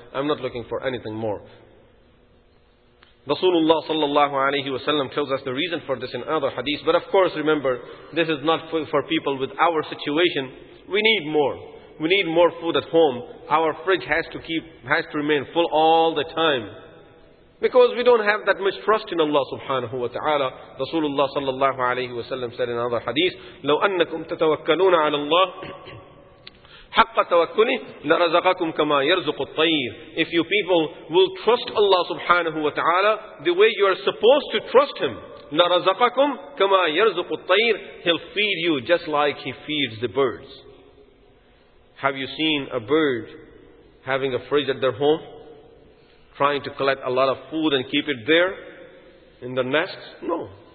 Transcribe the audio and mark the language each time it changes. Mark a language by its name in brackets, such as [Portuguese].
[English] I'm not looking for anything more. Rasulullah sallallahu alayhi wa sallam tells us the reason for this in other hadith. But of course, remember, this is not for people with our situation. We need more. We need more food at home. Our fridge has to remain full all the time. Because we don't have that much trust in Allah subhanahu wa ta'ala. Rasulullah sallallahu alayhi wa sallam said in another hadith, [Arabic] لَوْ أَنَّكُمْ تَتَوَكَّلُونَ عَلَى اللَّهِ حَقَّ تَوَكُّلِهِ لَرَزَقَكُمْ كَمَا يَرْزُقُ الطَّيِّرِ. [English] If you people will trust Allah subhanahu wa ta'ala the way you are supposed to trust Him, [Arabic] لَرَزَقَكُمْ كَمَا يَرْزُقُ الطَّيِّرِ, [English] He'll feed you just like He feeds the birds. Have you seen a bird having a fridge at their home, trying to collect a lot of food and keep it there in the nest? No.